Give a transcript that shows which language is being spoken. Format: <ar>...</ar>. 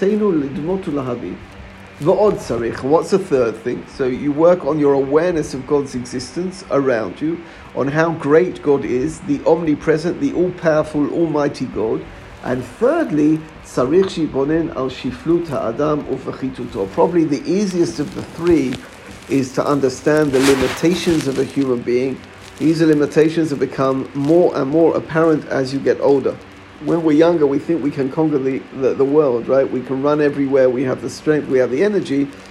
<en>What's the third thing? So you work on your awareness of God's existence around you, on how great God is, the omnipresent, the all-powerful, almighty God. And thirdly,</en> <he>צריך שיבונן על שפלות האדם ופחיתותו.</he> <en>Probably the easiest of the three is to understand the limitations of a human being. These limitations have become more and more apparent as you get older. When we're younger, we think we can conquer the world, right? We can run everywhere, we have the strength, we have the energy.</en>